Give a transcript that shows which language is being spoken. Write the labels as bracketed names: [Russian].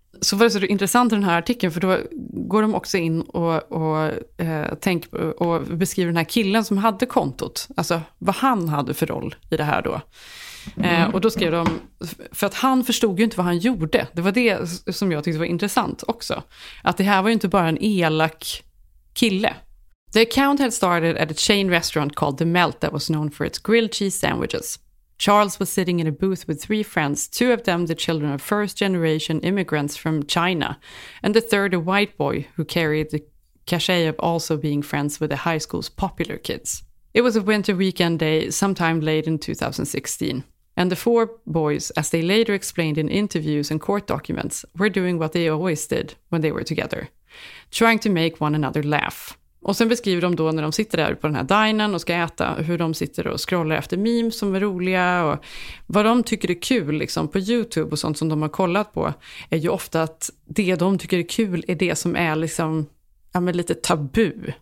[Swedish] Så var det så intressant i den här artikeln, för då går de också in och beskriver den här killen som hade kontot. Alltså vad han hade för roll i det här då. Och då skrev de, för att han förstod ju inte vad han gjorde. Det var det som jag tyckte var intressant också. Att det här var ju inte bara en elak kille. [English] The account had started at a chain restaurant called The Melt that was known for its grilled cheese sandwiches. Charles was sitting in a booth with 3 friends, 2 of them the children of first-generation immigrants from China, and the third a white boy who carried the cachet of also being friends with the high school's popular kids. It was a winter weekend day, sometime late in 2016, and the 4 boys, as they later explained in interviews and court documents, were doing what they always did when they were together, trying to make one another laugh. [Swedish] Och sen beskriver de då när de sitter där på den här dinern och ska äta, hur de sitter och scrollar efter memes som är roliga. Och vad de tycker är kul liksom, på YouTube och sånt som de har kollat på, är ju ofta att det de tycker är kul är det som är liksom, ja, men lite tabu.